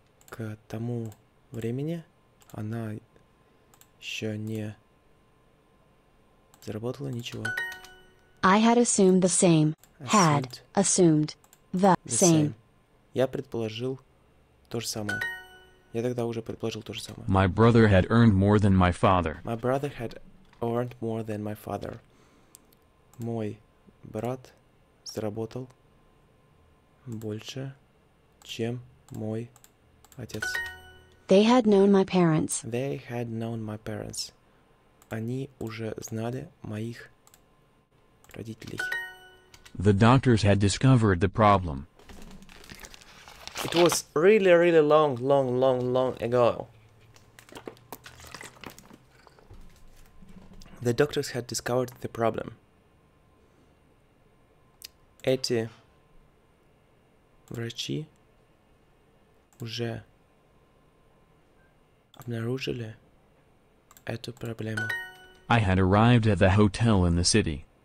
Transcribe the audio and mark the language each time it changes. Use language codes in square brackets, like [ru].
[ru] К тому времени она еще не заработала ничего. [en] I had assumed the same. Had assumed the same. [ru] Я предположил то же самое. Я тогда уже предположил то же самое. [en] My brother had earned more than my father. My brother had earned more than my father. [ru] Мой брат заработал больше, чем мой отец. [en] They had known my parents. They had known my parents. [ru] Они уже знали моих родителей. [en] The doctors had discovered the problem. It was really, really long, long, long, long ago. The doctors had discovered the problem. [ru] Эти врачи уже обнаружили эту проблему. [en] I had arrived at the hotel in the city.